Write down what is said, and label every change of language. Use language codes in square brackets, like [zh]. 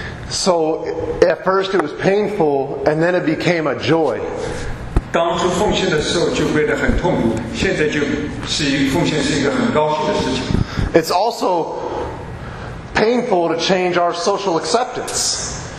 [en] So at first it was painful, and then it became a joy. [zh] 当初奉献的时候就变得很痛苦，现在就是奉献是一个很高兴的事情。 [en] It's also painful to change our social acceptance.